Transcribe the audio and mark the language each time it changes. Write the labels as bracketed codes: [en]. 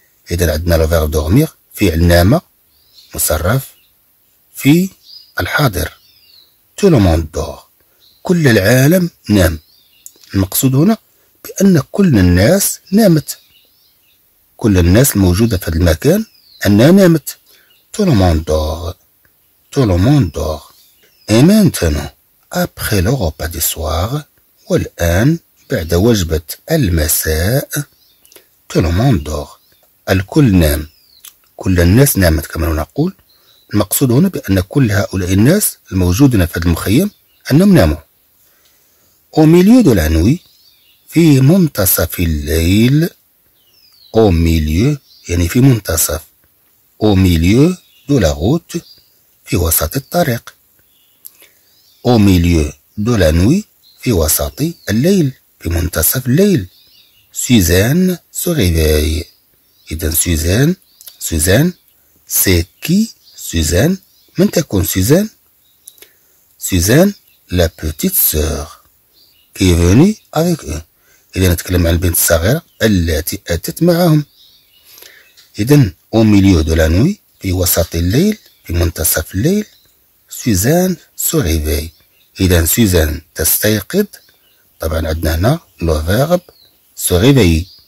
[ar] اذا عندنا [fr] لو فيرب دورمير [ar] فعل نام مصرف في الحاضر [fr] tout le monde dort [ar] كل العالم نام المقصود هنا بان كل الناس نامت كل الناس الموجوده في هذا المكان أنها نامت. [fr] Tout le monde dort. Tout le monde dort. Et maintenant, après le repas du soir, [ar] والآن بعد وجبة المساء, [fr] tout le monde dort. [ar] الكل نام. كل الناس نامت كما نقول. المقصود هنا بأن كل هؤلاء الناس الموجودين في هذا المخيم أنهم ناموا. [fr] Au milieu de la nuit, [ar] في منتصف الليل, [fr] au milieu, [ar] يعني في منتصف. [fr] Au milieu de la route, [ar] في وسط الطريق. [fr] Au milieu de la nuit, [ar] في وسط الليل, في منتصف الليل. [fr] Suzanne se réveille. إذن Suzanne, c'est qui Suzanne? [ar] من تكون Suzanne? [fr] Suzanne, la petite sœur, qui est venue avec eux. [ar] إذا نتكلم عن البنت الصغيرة التي أتت معهم. إذن [fr] أو ميليو دو لا نوي، [ar] في وسط الليل، في منتصف الليل، سوزان [fr] سو ريفي. [ar] إذن سوزان تستيقظ، طبعا عندنا هنا [fr] لو فيرب سو ريفي.